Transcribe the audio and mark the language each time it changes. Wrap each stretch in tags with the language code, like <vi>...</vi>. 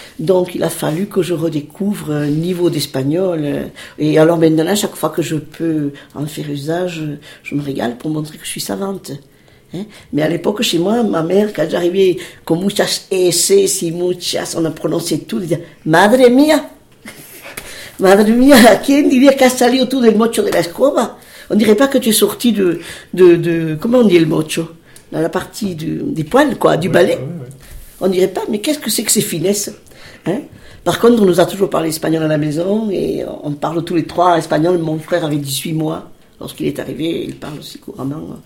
<fr>Donc il a fallu que je redécouvre un niveau d'espagnol. Et alors maintenant, chaque fois que je peux en faire usage, je me régale pour montrer que je suis savante. Hein. Mais à l'époque, chez moi, ma mère, quand j'arrivais,</fr> <es>con muchas eses, si muchas,</es> <fr>on a prononcé tout, elle disait «</fr> <es>Madre mía !» Madre mía, quién diría que has salido tú del mocho de la escoba?</es> <fr>On dirait pas que tu es sorti de comment on dit le mocho? Dans la partie des poils, quoi, du balai. Ouais, ouais. On dirait pas, mais qu'est-ce que c'est que ces finesses? Hein? Par contre, on nous a toujours parlé espagnol à la maison et on parle tous les trois espagnol. Mon frère avait 18 mois lorsqu'il est arrivé, il parle aussi couramment.</fr>